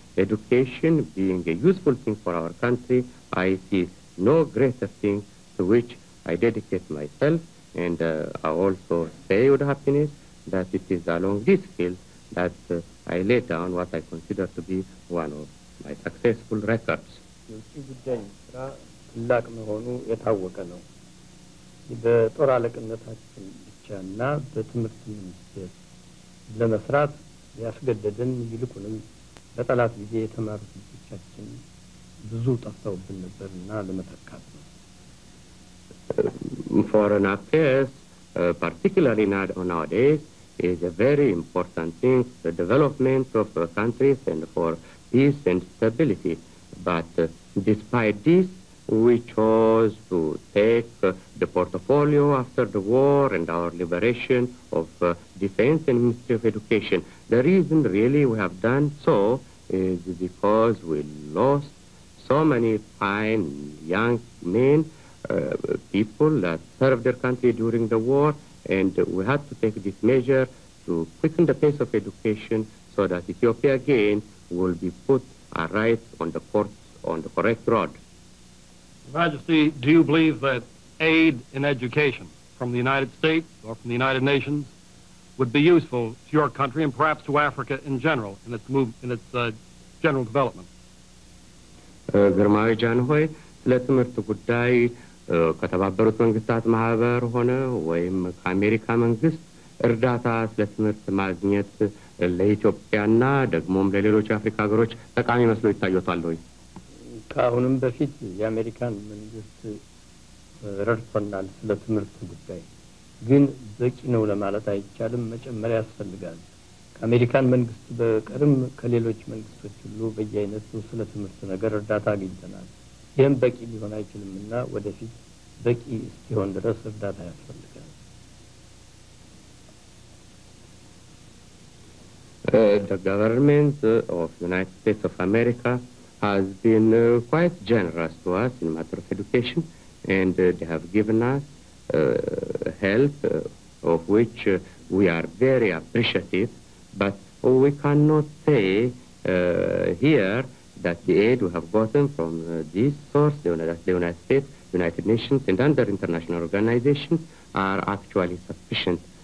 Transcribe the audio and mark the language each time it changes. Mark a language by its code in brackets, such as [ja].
[en] Education being a useful thing for our country, I see no greater thing to which I dedicate myself, and I also say with happiness that it is along this field that I laid down what I consider to be one of my successful records. [am] የውጭ ጉዳይ ሚኒስትሯ ትላቅ መሆኑ የታወቀ ነው። በጦር አለቅነታችን ብቻና በትምህርት ሚኒስቴር ለመስራት ያስገደደን ይልቁንም በጠላት ጊዜ የተማሩት ልጆቻችን ብዙ ጠፍተውብን ነበርና ለመተካት ነው። [en] Foreign affairs, particularly nowadays, is a very important thing for the development of countries and for peace and stability. But despite this, we chose to take the portfolio after the war and our liberation of defense and Ministry of Education. The reason really we have done so is because we lost so many fine young men, people that served their country during the war, and we had to take this measure to quicken the pace of education so that Ethiopia again will be put right on the course, on the correct road. Your Majesty, do you believe that aid in education from the United States or from the United Nations would be useful to your country and perhaps to Africa in general in its move, in its general development? [am] ግርማዊ ጃንሆይ ለትምህርት ጉዳይ ከተባበሩት መንግስታት ማህበር ሆነ ወይም ከአሜሪካ መንግስት እርዳታ ለትምህርት ማግኘት ለኢትዮጵያና ደግሞም ለሌሎች አፍሪካ ሀገሮች ጠቃሚ መስሎ ይታያታል ወይ? ካሁንም በፊት የአሜሪካን መንግስት ረድቶናል ለትምህርት ጉዳይ። ግን በቂ ነው ለማለት አይቻልም፣ መጨመር ያስፈልጋል። ከአሜሪካን መንግስት በቀርም ከሌሎች መንግስቶች ሁሉ በየአይነቱ ስለትምህርት ነገር እርዳታ አግኝተናል። ይህም በቂ ሊሆን አይችልምና ወደፊት በቂ እስኪሆን ድረስ እርዳታ ያስፈልጋል። [en] The government of the United States of America has been quite generous to us in matter of education, and they have given us help of which we are very appreciative, but we cannot say here that the aid we have gotten from this source, the United States, United Nations, and other international organizations are actually sufficient.